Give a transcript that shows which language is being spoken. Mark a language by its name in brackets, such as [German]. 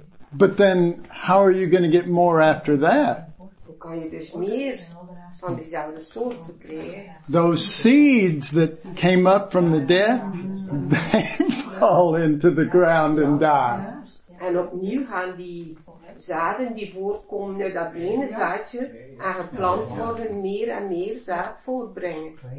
[English] But then, how are you going to get more after that? [Dutch] Kan je dus meer van diezelfde soort verkrijgen. [English] Those seeds that came up from the dead, they fall into the ground and die. [Dutch] En opnieuw gaan die zaden die voortkomen uit dat ene zaadje en geplant worden meer en meer zaad voortbrengen.